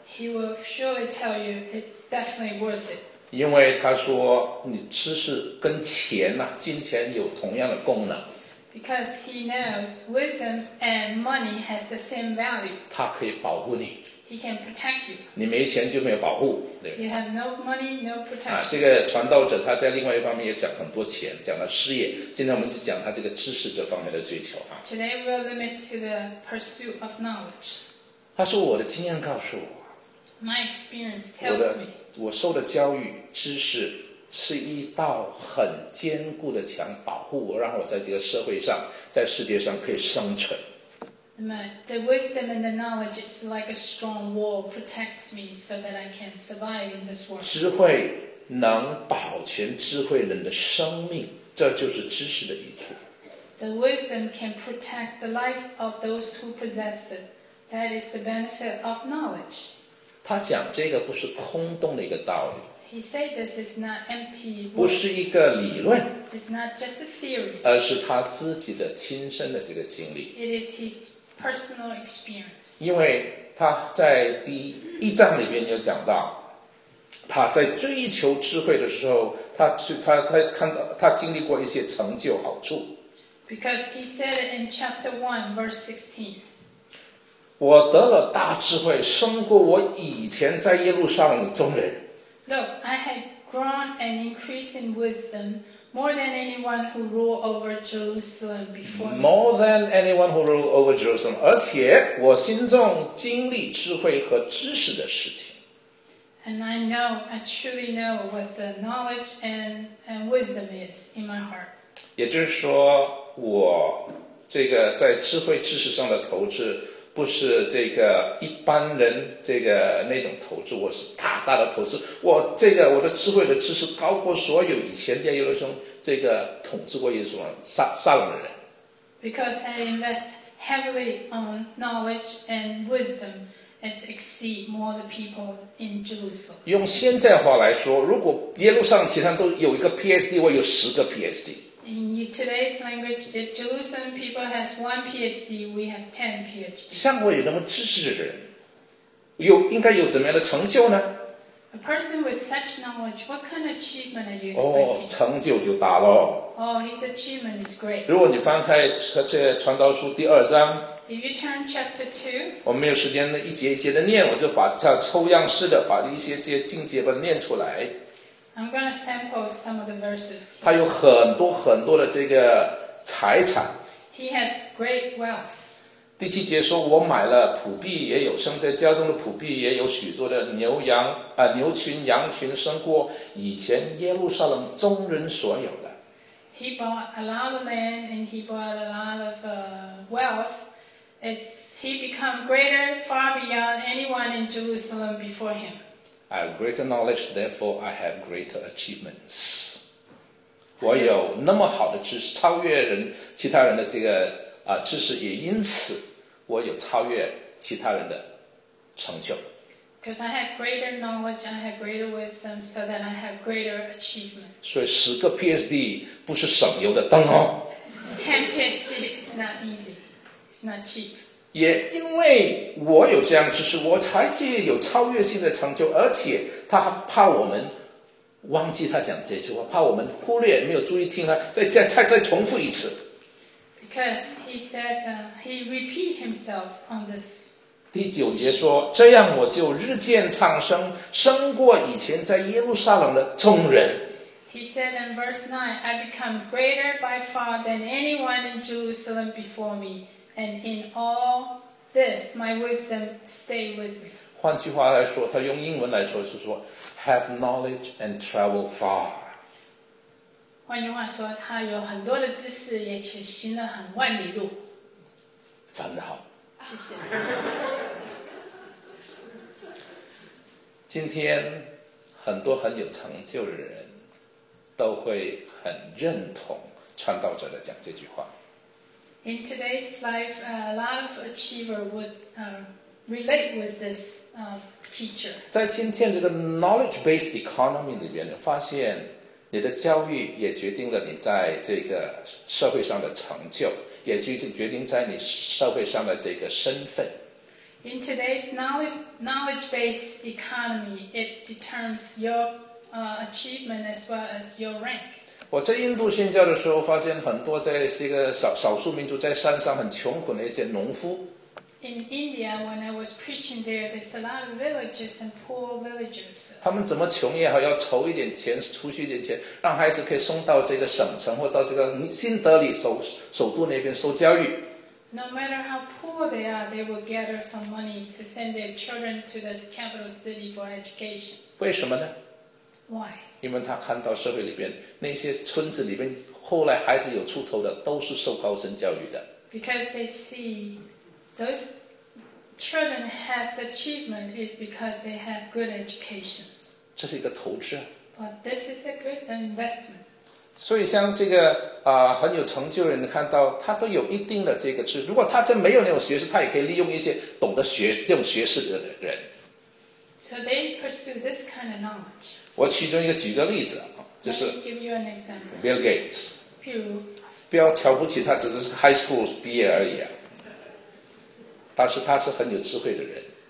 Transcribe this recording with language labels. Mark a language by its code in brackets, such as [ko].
[en] He will surely tell you, it's definitely worth it. [zh] 因为他说，你知识跟钱啊，金钱有同样的功能。 [en] Because he knows wisdom and money has the same value. [zh] 他可以保护你。 [en] He can protect you. [zh] 你没钱就没有保护。 [en] You have no money, no protection. [zh] 这个传道者他在另外一方面也讲很多钱，讲了事业。今天我们就讲他这个知识这方面的追求啊。 [en] Today we will limit to the pursuit of knowledge. [zh] 他说我的经验告诉我。 [en] My experience tells me. [zh] 我受的教育知识。是一道很坚固的墙，保护我，让我在这个社会上，在世界上可以生存。 [en] The wisdom and the knowledge is like a strong wall, protects me so that I can survive in this world. [zh] 智慧能保全智慧人的生命，这就是知识的益处。 [en] The wisdom can protect the life of those who possess it. That is the benefit of knowledge. [zh] 他讲这个不是空洞的一个道理。 [en] He said this is not empty words. [zh] 不是一个理论 [en] It's not just a theory. [zh] 而是他自己的亲身的这个经历 [en] It is his personal experience. [zh] 因为他在第一章里面有讲到他在追求智慧的时候 他经历过一些成就好处 [en] Because he said it in chapter 1 verse 16 [zh] 我得了大智慧胜过我以前在耶路撒冷的众人 [en] Look, I had grown and increased in wisdom more than anyone who ruled over Jerusalem before me. More than anyone who ruled over Jerusalem. [zh] 而且我心中经历智慧和知识的事情。 [en] And I know, I truly know what the knowledge and wisdom is in my heart. [zh] 也就是说，我这个在智慧知识上的投资不是这个一般人这个那种投资，我是大大的投资，我这个我的智慧的知识高过所有以前的耶路撒冷这个统治过耶路撒冷的人。 [en] Because I invest heavily on knowledge and wisdom and exceed more the people in Jerusalem. [zh] 用现在话来说，如果耶路撒冷其他都有一个 PhD， 我有十个 PhD。 [en] In today's language, if Jerusalem people has one PhD, we have ten PhD. [zh] 像我有那么知识的人，有应该有怎么样的成就呢？ [en] A person with such knowledge, what kind of achievement are you expecting? [zh] 成就就大了。 [en] His achievement is great. [zh] 如果你翻开这传道书第二章， [en] If you turn chapter two, [zh] 我没有时间一节一节的念，我就把它抽样式的把一些这些境界把它念出来。 [en] I'm going to sample some of the verses. [zh] 他有很多很多的这个财产。 [en] He has great wealth. [zh] 第七节说，我买了仆婢也有，生在家中的仆婢也有许多的牛羊啊、牛群、羊群，胜过以前耶路撒冷众人所有的。 [en] He bought a lot of land and he bought a lot of wealth. He became greater far beyond anyone in Jerusalem before him. I have greater knowledge, therefore I have greater achievements. [zh] 我有那么好的知识，超越人其他人的这个知识，也因此我有超越其他人的成就。 [en] Because I have greater knowledge, I have greater wisdom, so that I have greater achievements. [zh] 所以十个 PhD 不是省油的灯哦。 [en] Ten PhD is not easy. It's not cheap. [zh] 也因为我有这样知识，我才具有超越性的成就，而且他怕我们忘记他讲这句话，怕我们忽略没有注意听他，再重复一次。 [en] Because he said he repeat himself on this. [zh] 第九节说，这样我就日渐昌盛，胜过以前在耶路撒冷的众人。 [en] He said in verse 9, I become greater by far than anyone in Jerusalem before me. And in all this, my wisdom stay with me. [zh] 换句话来说，他用英文来说是说 ， [en] have knowledge and travel far. [zh] 换句话说，他有很多的知识，也且行了很万里路。翻得好。谢谢。今天很多很有成就的人，都会很认同传道者的讲这句话。 [en] In today's life, a lot of achievers would relate with this teacher. [zh] 在今天这个 knowledge-based economy 里面，发现你的教育也决定了你在这个社会上的成就，也决定在你社会上的这个身份。 [en] In today's knowledge-based economy, it determines your achievement as well as your rank. [zh] 我在印度宣教的时候，发现很多在这个少数民族在山上很穷苦的一些农夫。 [en] In India, when I was preaching there, there's a lot of villages and poor villages. [zh] 他们怎么穷也好，要筹一点钱，储蓄一点钱，让孩子可以送到这个省城或到这个新德里首都那边受教育。 [en] No matter how poor they are, they will gather some money to send their children to this capital city for education. [zh] 为什么呢？ [en] Why? [zh] 因为他看到社会里边那些村子里边后来孩子有出头的都是受高深教育的。 [en] Because they see those children have achievement is because they have good education. [zh] 这是一个投资。 [en] But this is a good investment. [zh] 所以像这个很有成就的人看到他都有一定的这个知识，如果他真没有那种学识，他也可以利用一些懂得学这种学识的人。 [en] So they pursue this kind of knowledge. [zh] 我其中一个举个例子，就是 Bill Gates， 不要瞧不起他，只是 high school 毕业而已，但是他是很有智慧的人。